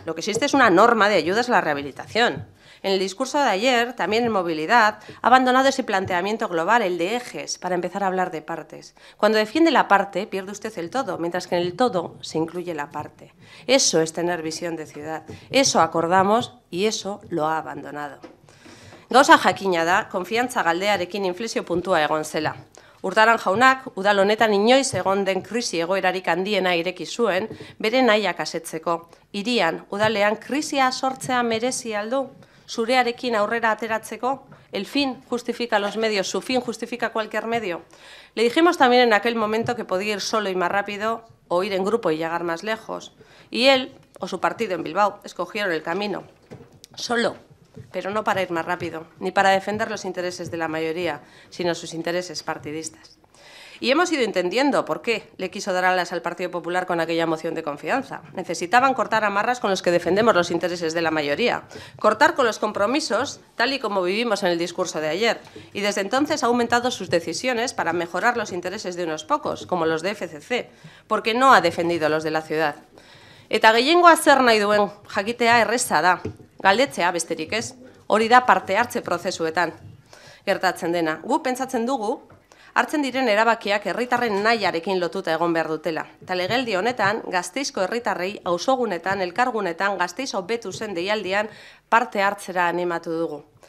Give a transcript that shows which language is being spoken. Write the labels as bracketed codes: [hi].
[es] Lo que existe es una norma de ayudas a la rehabilitación. En el discurso de ayer, también en movilidad, ha abandonado ese planteamiento global, el de ejes, para empezar a hablar de partes. Cuando defiende la parte, pierde usted el todo, mientras que en el todo se incluye la parte. Eso es tener visión de ciudad. Eso acordamos y eso lo ha abandonado. [eu] Gauza jakina da, konfiantza galdearekin inflexio puntua egon zela. Urtaran jaunak, udal honetan inoiz egon den krisi egoerarik handiena ireki zuen, bere nahiak asetzeko. Irian, udalean krisia sortzea merezi aldu, zurearekin aurrera ateratzeko, [es] el fin justifica los medios, su fin justifica cualquier medio. Le dijimos también en aquel momento que podía ir solo y más rápido, o ir en grupo y llegar más lejos. Y él, o su partido en Bilbao, escogieron el camino. Solo. Pero no para ir más rápido, ni para defender los intereses de la mayoría, sino sus intereses partidistas. Y hemos ido entendiendo por qué le quiso dar alas al Partido Popular con aquella moción de confianza. Necesitaban cortar amarras con los que defendemos los intereses de la mayoría. Cortar con los compromisos, tal y como vivimos en el discurso de ayer. Y desde entonces ha aumentado sus decisiones para mejorar los intereses de unos pocos, como los de FCC, porque no ha defendido los de la ciudad. [eu] Eta gehiengoa zer nahi duen jakitea erresa da. Galdetzea besterik ez, hori da parte hartze prozesuetan gertatzen dena. Gu pentsatzen dugu, hartzen diren erabakiak herritarren nahiarekin lotuta egon behar dutela. Eta legeldi honetan, Gasteizko herritarrei auzogunetan, elkargunetan, Gasteiz hobetu zen deialdian parte hartzera animatu dugu.